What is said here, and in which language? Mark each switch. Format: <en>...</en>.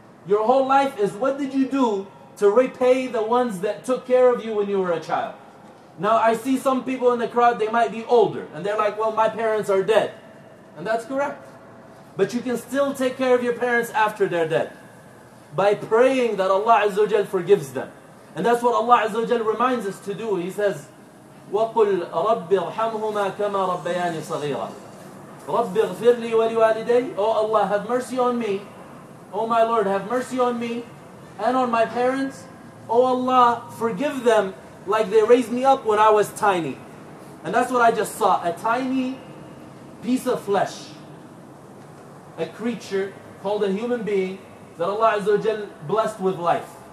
<en>Your whole life is what did you do to repay the ones that took care of you when you were a child. Now I see some people in the crowd, they might be older, and they're like, well, my parents are dead. And that's correct. But you can still take care of your parents after they're dead. By praying that Allah Azza wa Jal forgives them. And that's what Allah Azza wa Jal reminds us to do. He says,</en> <ar>وَقُلْ رَبِّ ارْحَمْهُمَا كَمَا رَبَّيَانِ صَغِيرًا رَبِّ اغْفِرْ لِي وَلِوَالِدَيْ</ar> <en>Oh Allah, have mercy on me. Oh my Lord, have mercy on me and on my parents. Oh Allah, forgive them like they raised me up when I was tiny. And that's what I just saw. A tiny piece of flesh. A creature called a human being that Allah Azza wa Jal blessed with life.</en>